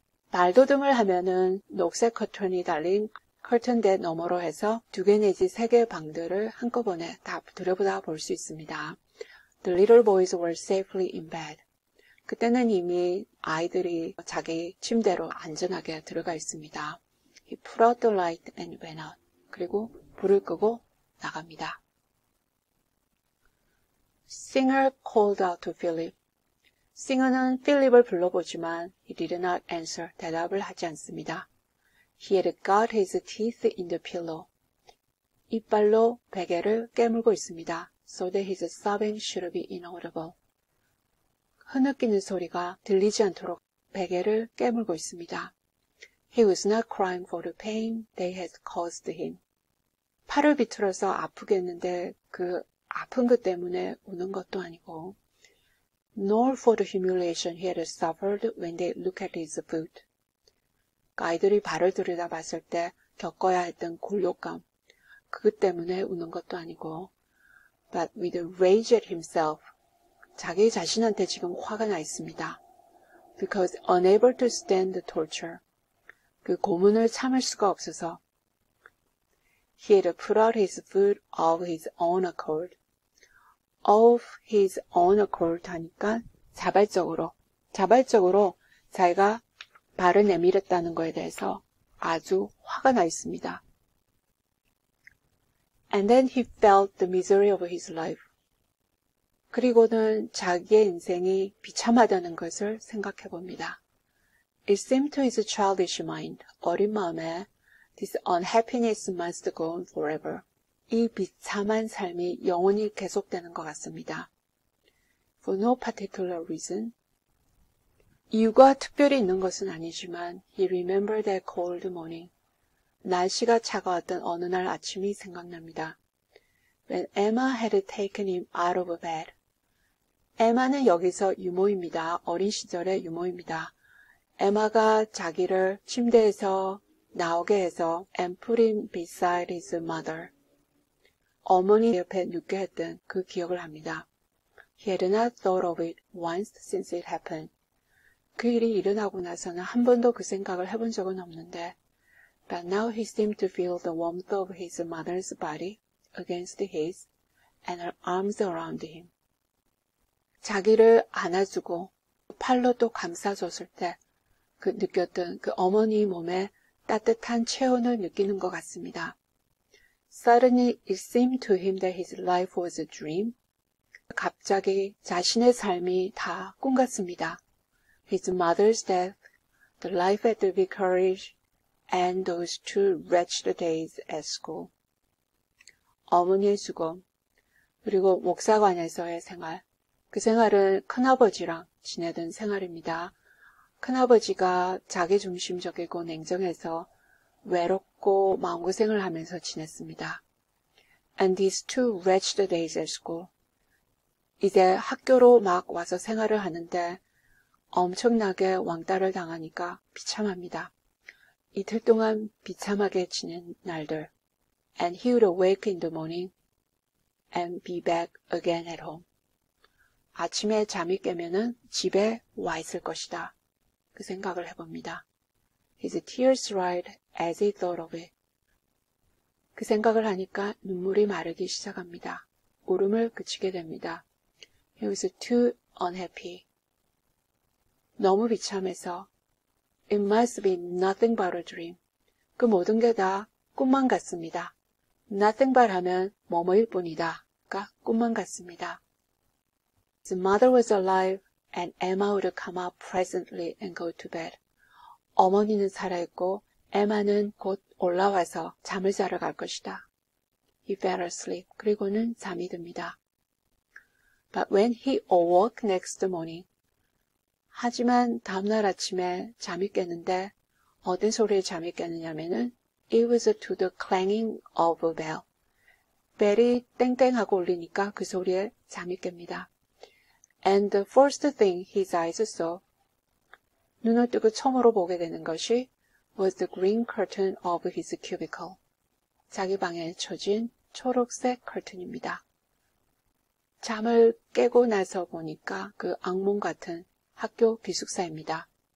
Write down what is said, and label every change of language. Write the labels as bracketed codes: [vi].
[ko] 발돋움을 하면은 녹색 커튼이 달린 커튼대 너머로 해서 두 개 내지 세 개의 방들을 한꺼번에 다 들여보다 볼 수 있습니다. [en] The little boys were safely in bed. [ko] 그때는 이미 아이들이 자기 침대로 안전하게 들어가 있습니다. [en] He put out the light and went out. [ko] 그리고 불을 끄고 나갑니다. [en] Singer called out to Philip. [ko] Singer는 Philip을 불러보지만 [en] he did not answer. [ko] 대답을 하지 않습니다. [en] He had got his teeth in the pillow. [ko] 이빨로 베개를 깨물고 있습니다. [en] So that his sobbing should be inaudible. [ko] 흐느끼는 소리가 들리지 않도록 베개를 깨물고 있습니다. [en] He was not crying for the pain they had caused him. [ko] 팔을 비틀어서 아프겠는데 그 아픈 것 때문에 우는 것도 아니고 [en] Nor for the humiliation he had suffered when they looked at his foot. [ko] 아이들이 발을 들여다봤을 때 겪어야 했던 굴욕감, 그것 때문에 우는 것도 아니고 [en] But with rage at himself, [ko] 자기 자신한테 지금 화가 나 있습니다. [en] Because unable to stand the torture, [ko] 그 고문을 참을 수가 없어서 [en] He had put out his foot of his own accord. Of his own accord [ko] 하니까 자발적으로 자기가 발을 내밀었다는 것에 대해서 아주 화가 나 있습니다. [en] And then he felt the misery of his life. [ko] 그리고는 자기의 인생이 비참하다는 것을 생각해 봅니다. [en] It seemed to his childish mind, [ko] 어린 마음에, [en] this unhappiness must go on forever. [ko] 이 비참한 삶이 영원히 계속되는 것 같습니다. [en] For no particular reason. [ko] 이유가 특별히 있는 것은 아니지만 [en] he remembered that cold morning. [ko] 날씨가 차가웠던 어느 날 아침이 생각납니다. [en] When Emma had taken him out of bed. [ko] 에마는 여기서 유모입니다. 어린 시절의 유모입니다. 에마가 자기를 침대에서 나오게 해서 [en] and put him beside his mother. [ko] 어머니 옆에 눕게 했던 그 기억을 합니다. [en] He had not thought of it once since it happened. [ko] 그 일이 일어나고 나서는 한 번도 그 생각을 해본 적은 없는데 [en] But now he seemed to feel the warmth of his mother's body against his and her arms around him. [ko] 자기를 안아주고 팔로 또 감싸줬을 때 그 느꼈던 그 어머니 몸에 따뜻한 체온을 느끼는 것 같습니다. [en] Suddenly it seemed to him that his life was a dream. [ko] 갑자기 자신의 삶이 다 꿈 같습니다. [en] His mother's death, The life at the vicarage and those two wretched days at school. [ko] 어머니의 죽음, 그리고 목사관에서의 생활. 그 생활은 큰아버지랑 지내던 생활입니다. 큰아버지가 자기중심적이고 냉정해서 외롭고 마음고생을 하면서 지냈습니다. [en] And these two wretched days at school. [ko] 이제 학교로 막 와서 생활을 하는데 엄청나게 왕따를 당하니까 비참합니다. 이틀 동안 비참하게 지낸 날들. [en] And he would awake in the morning and be back again at home. [ko] 아침에 잠이 깨면은 집에 와 있을 것이다. 그 생각을 해봅니다. [en] His tears dried as he thought of it. [ko] 그 생각을 하니까 눈물이 마르기 시작합니다. 울음을 그치게 됩니다. [en] He was too unhappy. [ko] 너무 비참해서 [en] It must be nothing but a dream. [ko] 그 모든 게 다 꿈만 같습니다. [en] Nothing but [ko] 하면 뭐뭐일 뿐이다. 가 꿈만 같습니다. [en] His mother was alive and Emma would come up presently and go to bed. [ko] 어머니는 살아있고 에마는 곧 올라와서 잠을 자러 갈 것이다. [en] He fell asleep. [ko] 그리고는 잠이 듭니다. [en] But when he awoke next morning, [ko] 하지만 다음날 아침에 잠이 깼는데 어떤 소리에 잠이 깼느냐면은 [en] It was to the clanging of a bell. [ko] 벨이 땡땡하고 울리니까 그 소리에 잠이 깹니다. [en] And the first thing his eyes saw, [ko] 눈을 뜨고 처음으로 보게 되는 것이 [en] was the green curtain of his cubicle. [ko] 자기 방에 쳐진 초록색 커튼입니다. 잠을 깨고 나서 보니까 그 악몽 같은 학교 기숙사입니다.